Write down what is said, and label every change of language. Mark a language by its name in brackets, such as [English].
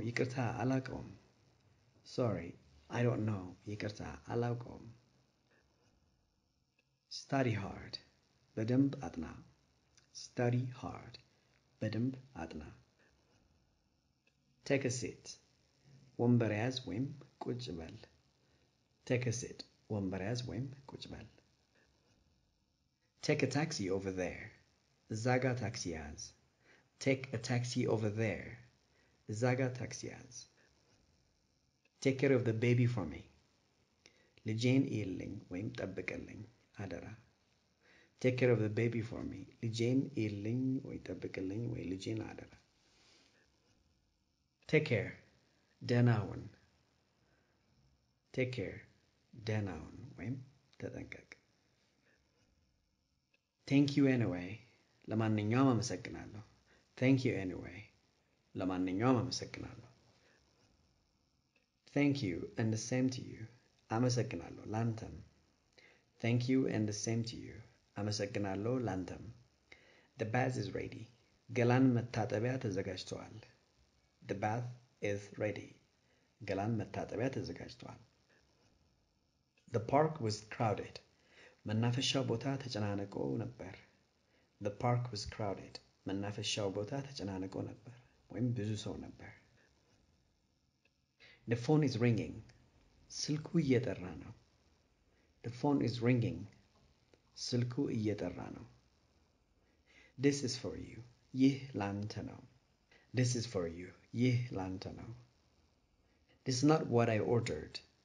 [Amharic] ይቅርታ አላውቀውም። [English] Sorry, I don't know. [Amharic] ይቅርታ አላውቀውም። [English] Study hard. [Amharic] በደንብ አጥና። [English] Study hard. [Amharic] በደንብ አጥና። [English] Take a seat. [Amharic] ወንበር ያዝ ወይም ቁጭ በል። [English] Take a seat. [Amharic] ወንበር ያዝ ወይም ቁጭ በል። [English] Take a taxi over there. [Amharic] እዛ ጋ ታክሲ ያዝ። [English] Take a taxi over there. [Amharic] እዛ ጋ ታክሲ ያዝ። [English] Take care of the baby for me. [Amharic] ልጄን እየልኝ ወይም ጠብቅልኝ አደራ። [English] Take care of the baby for me. [Amharic] ልጄን እየልኝ ወይ ጠብቅልኝ ወይ ልጄን አደራ። [English] Take care. [Amharic] ደህና ሁን። [English] Take care. [Amharic] ደህና ሁን ወይም ተጠንቀቅ። [English] Thank you anyway. [Amharic] ለማንኛውም አመሰግናለሁ። [English] Thank you anyway. [Amharic] ለማንኛውም አመሰግናለሁ። [English] Thank you and the same to you. [Amharic] አመሰግናለሁ ላንተም። [English] Thank you and the same to you. [Amharic] አመሰግናለሁ ላንተም። [English] The bath is ready. [Amharic] ገላን መታጠቢያ ተዘጋጅቷል። [English] The bath is ready. [Amharic] ገላን መታጠቢያ ተዘጋጅቷል። [English] The park was crowded. [Amharic] መናፈሻው ቦታ ተጨናነቆ ነበር። [English] The park was crowded. [Amharic] መናፈሻው ቦታ ተጨናነቆ ነበር ወይም ብዙ ሰው ነበር። [English] The phone is ringing. [Amharic] ስልኩ እየጠራ ነው። [English] The phone is ringing. [Amharic] ስልኩ እየጠራ ነው። [English] This is for you. [Amharic] ይህ ላንተ ነው። [English] This is for you. [Amharic] ይህ ላንተ ነው። [English] This is not what I ordered.